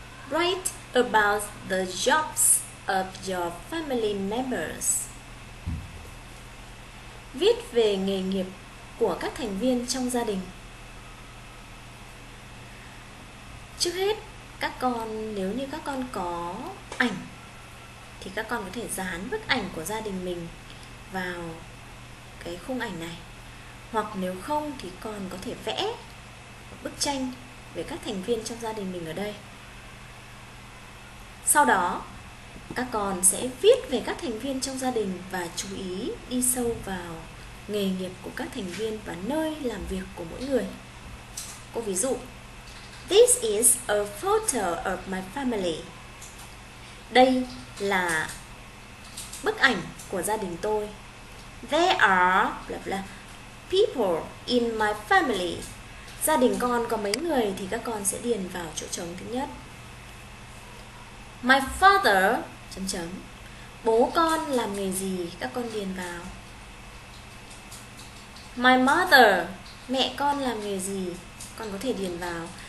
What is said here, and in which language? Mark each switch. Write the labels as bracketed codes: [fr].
[en] Write about the jobs of your family members. [vi] Viết về nghề nghiệp của các thành viên trong gia đình. Trước hết, các con, nếu như các con có ảnh, thì các con có thể dán bức ảnh của gia đình mình vào cái khung ảnh này. Hoặc nếu không thì con có thể vẽ bức tranh về các thành viên trong gia đình mình ở đây. Sau đó, các con sẽ viết về các thành viên trong gia đình và chú ý đi sâu vào nghề nghiệp của các thành viên và nơi làm việc của mỗi người. Cô ví dụ, [en] This is a photo of my family. [vi] Đây là bức ảnh của gia đình tôi. [en] There are blah blah people in my family. [vi] Gia đình con có mấy người thì các con sẽ điền vào chỗ trống thứ nhất. [en] My father [vi] chấm chấm. Bố con làm nghề gì? Các con điền vào. [en] My mother, [vi] mẹ con làm nghề gì? Con có thể điền vào.